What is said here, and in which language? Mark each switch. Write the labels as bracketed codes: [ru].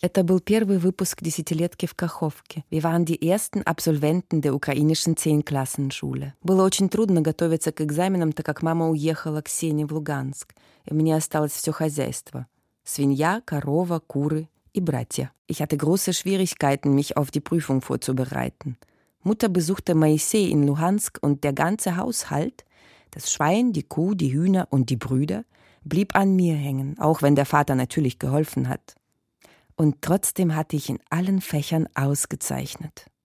[ru] Это был первый выпуск десятилетки в Каховке. [de] Wir waren die ersten Absolventen der ukrainischen 10-Klassenschule. [ru] Было очень трудно готовиться к экзаменам, так как мама уехала к Сене в Луганск. И мне осталось все хозяйство. Свинья, корова, куры и братья. [de] Ich hatte große Schwierigkeiten, mich auf die Prüfung vorzubereiten. Mutter besuchte Moisei in Luhansk und der ganze Haushalt, das Schwein, die Kuh, die Hühner und die Brüder, blieb an mir hängen, auch wenn der Vater natürlich geholfen hat. Und trotzdem hatte ich in allen Fächern ausgezeichnet.